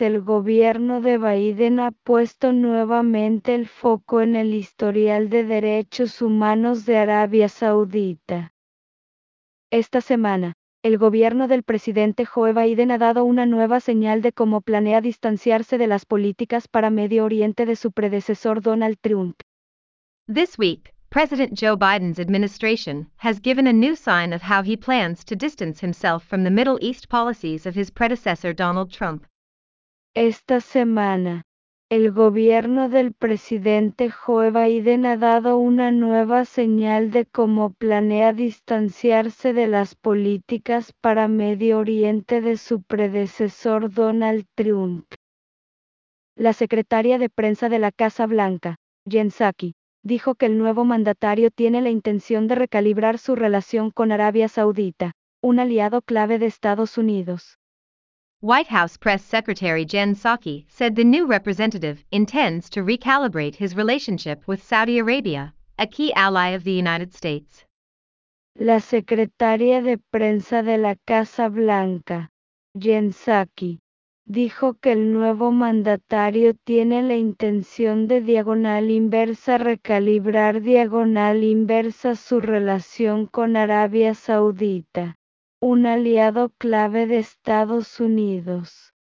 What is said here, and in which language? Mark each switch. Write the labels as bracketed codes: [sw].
[es] El gobierno de Biden ha puesto nuevamente el foco en el historial de derechos humanos de Arabia Saudita. Esta semana, el gobierno del presidente Joe Biden ha dado una nueva señal de cómo planea distanciarse de las políticas para Medio Oriente de su predecesor Donald Trump. [en] This week, President Joe Biden's administration has given a new sign of how he plans to distance himself from the Middle East policies of his predecessor Donald Trump. [es] Esta semana, el gobierno del presidente Joe Biden ha dado una nueva señal de cómo planea distanciarse de las políticas para Medio Oriente de su predecesor Donald Trump. La secretaria de prensa de la Casa Blanca, Jen Psaki, dijo que el nuevo mandatario tiene la intención de recalibrar su relación con Arabia Saudita, un aliado clave de Estados Unidos. [en] White House Press Secretary Jen Psaki said the new representative intends to recalibrate his relationship with Saudi Arabia, a key ally of the United States. [es] La secretaria de prensa de la Casa Blanca, Jen Psaki, dijo que el nuevo mandatario tiene la intención de recalibrar su relación con Arabia Saudita, un aliado clave de Estados Unidos.